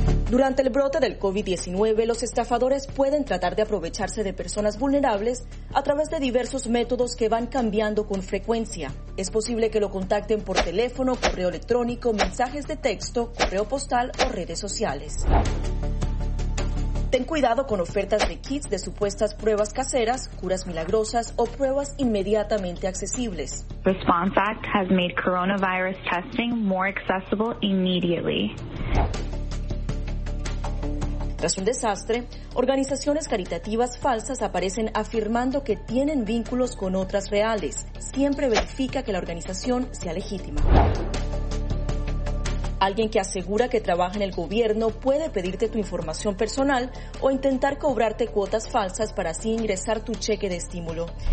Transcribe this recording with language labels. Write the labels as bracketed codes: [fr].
[es] Durante el brote del COVID-19, los estafadores pueden tratar de aprovecharse de personas vulnerables a través de diversos métodos que van cambiando con frecuencia. Es posible que lo contacten por teléfono, correo electrónico, mensajes de texto, correo postal o redes sociales. Ten cuidado con ofertas de kits de supuestas pruebas caseras, curas milagrosas o pruebas inmediatamente accesibles. [en] Response Act has made coronavirus testing more accessible immediately. [es] Tras un desastre, organizaciones caritativas falsas aparecen afirmando que tienen vínculos con otras reales. Siempre verifica que la organización sea legítima. Alguien que asegura que trabaja en el gobierno puede pedirte tu información personal o intentar cobrarte cuotas falsas para así ingresar tu cheque de estímulo.